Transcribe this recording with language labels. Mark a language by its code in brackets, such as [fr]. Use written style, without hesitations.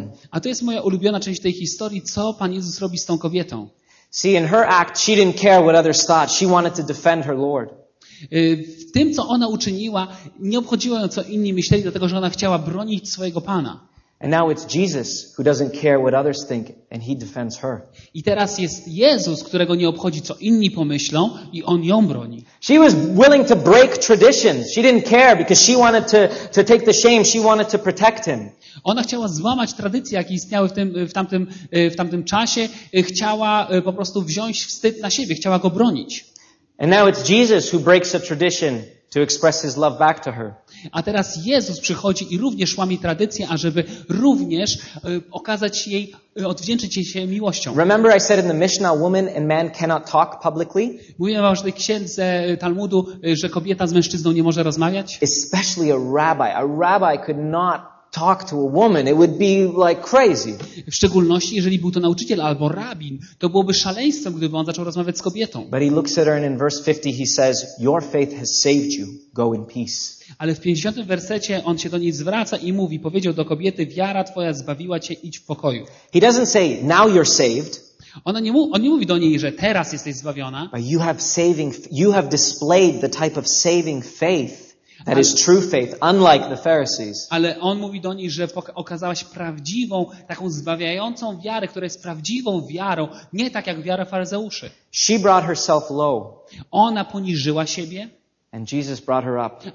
[pl] A to jest moja ulubiona część tej historii, co Pan Jezus robi z tą kobietą. [en] See, in her act, she didn't care what others thought. She wanted to defend her Lord. [pl] W tym, co ona uczyniła, nie obchodziło ją, co inni myśleli, dlatego że ona chciała bronić swojego Pana. [en] And now it's Jesus who doesn't care what others think and he defends her. [pl] I teraz jest Jezus, którego nie obchodzi, co inni pomyślą, i on ją broni. [en] She was willing to break traditions. She didn't care because she wanted to take the shame. She wanted to protect him. [pl] Ona chciała złamać tradycje, jakie istniały w tamtym czasie. Chciała po prostu wziąć wstyd na siebie, chciała go bronić. [en] And now it's Jesus who breaks a tradition to express his love back to her. [pl] A teraz Jezus przychodzi i również łamie tradycję, ażeby również okazać jej, odwdzięczyć jej się miłością. [en] Remember I said in the Mishnah, woman and man cannot talk publicly? [pl] Mówiłem o tej księdze Talmudu, że kobieta z mężczyzną nie może rozmawiać? [en] Especially a rabbi. A rabbi could not talk to a woman. It would be like crazy. [pl] W szczególności, jeżeli był to nauczyciel albo rabin, to byłoby szaleństwem, gdyby on zaczął rozmawiać z kobietą. [en] But he looks at her and in verse 50 he says, your faith has saved you. Go in peace. [pl] Ale w 50. wersecie on się do niej zwraca i mówi, powiedział do kobiety, wiara twoja zbawiła cię, idź w pokoju. [en] He doesn't say, now you're saved. [pl] On nie mówi do niej, że teraz jesteś zbawiona. [en] But you have displayed the type of saving faith that is true faith, unlike the Pharisees. [pl] Ale on mówi do niej, że okazałaś prawdziwą, taką zbawiającą wiarę, która jest prawdziwą wiarą, nie tak jak wiara faryzeuszy. [en] She brought herself low. [pl] Ona poniżyła siebie. [en] And Jesus brought her up.